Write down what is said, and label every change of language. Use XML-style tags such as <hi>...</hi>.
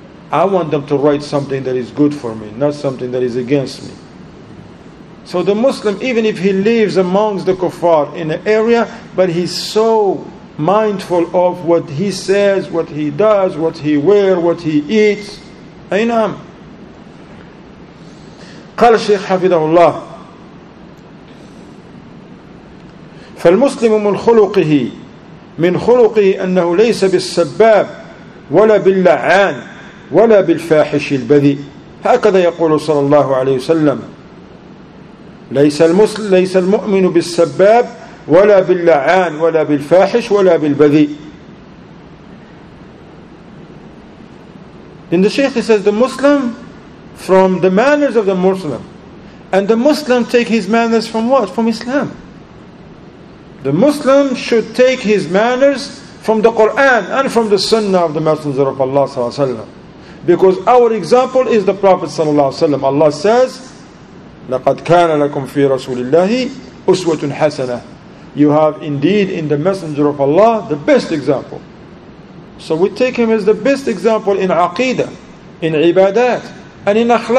<en>I want them to write something that is good for me, not something that is against me. So the Muslim, even if he lives amongst the kuffar in an area, but he's so mindful of what he says, what he does, what he wears, what he eats. Aynam.</en> <ar>قال الشيخ حفظه الله فالمسلم من خلقه من خلقه أنه ليس بالسباب ولا باللعان ولا بالفاحش البذيء. هكذا يقول صلى الله عليه وسلم ليس المؤمن بالسباب ولا باللعان ولا بالفاحش ولا بالبذيء.</ar> <en>In the Shaykh, he says the Muslim from the manners of the Muslim, and the Muslim take his manners from what? From Islam. The Muslim should take his manners from the Quran and from the Sunnah of the Messenger of Allah صلى الله عليه وسلم, because our example is the Prophet صلى الله عليه وسلم. Allah says,</en> <ar>لقد كان لكم في رسول الله أسوة حسنة.</ar> <en>You have indeed in the Messenger of Allah the best example. So we take him as the best example in aqidah, in ibadat, and in akhlaq.</en>